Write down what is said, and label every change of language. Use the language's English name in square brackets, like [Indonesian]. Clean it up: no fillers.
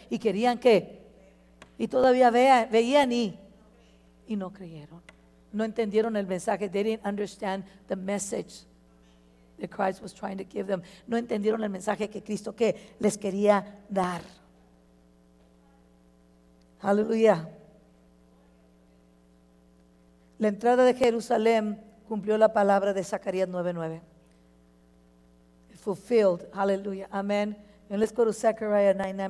[Spanish] Y querían que, y todavía veían y no creyeron. No entendieron el mensaje. [English] They didn't understand the message that Christ was trying to give them. [Spanish] No entendieron el mensaje que Cristo que les quería dar. Hallelujah. La entrada de Jerusalén cumplió la palabra de Zacarías 9:9. [English] Fulfilled. Hallelujah. Amen. Let's go to Zechariah 9:9.